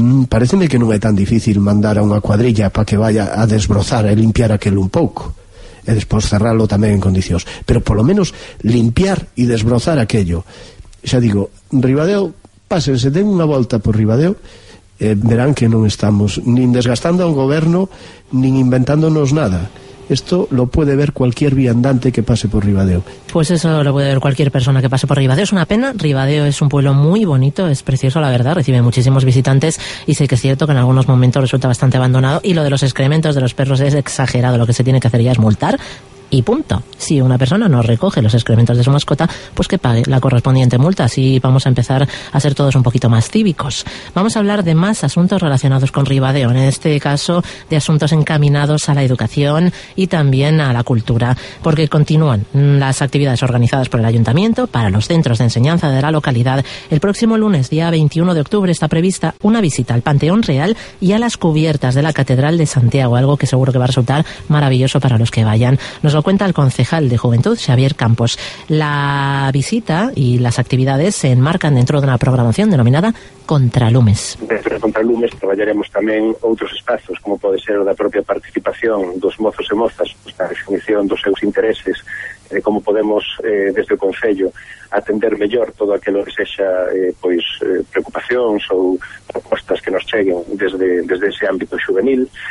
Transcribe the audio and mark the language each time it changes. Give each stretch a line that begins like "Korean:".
Galician: Pareceme que non é tan difícil mandar a unha cuadrilla para que vaya a desbrozar e limpiar aquel un pouco, e despois cerrarlo tamén en condicións, pero polo menos limpiar e desbrozar aquello. Xa digo, Ribadeo, pásense, den unha volta por Ribadeo, verán que non estamos nin desgastando ao goberno nin inventándonos nada.
Spanish: Esto lo puede ver cualquier viandante que pase por Ribadeo. Pues eso lo puede ver cualquier persona que pase por Ribadeo. Es una pena. Ribadeo es un pueblo muy bonito, es precioso, la verdad. Recibe muchísimos visitantes y sé que es cierto que en algunos momentos resulta bastante abandonado. Y lo de los excrementos de los perros es exagerado. Lo que se tiene que hacer ya es multar y punto. Si una persona no recoge los excrementos de su mascota, pues que pague la correspondiente multa. Así vamos a empezar a ser todos un poquito más cívicos. Vamos a hablar de más asuntos relacionados con Ribadeo, en este caso de asuntos encaminados a la educación y también a la cultura, porque continúan las actividades organizadas por el ayuntamiento para los centros de enseñanza de la localidad. El próximo lunes, día 21 de octubre, está prevista una visita al Panteón Real y a las cubiertas de la Catedral de Santiago, algo que seguro que va a resultar maravilloso para los que vayan. Nos lo cuenta el concejal de Juventud, Xavier Campos. La visita y las actividades se enmarcan dentro de una programación denominada Contralumes.
Galician: Dentro de Contralumes traballaremos tamén outros espazos, como pode ser o da propia participación dos mozos e mozas, pues, na definición dos seus intereses, como podemos, desde o Concello, atender mellor todo aquilo que sexa pois, preocupacións ou propostas que nos cheguen desde ese ámbito juvenil.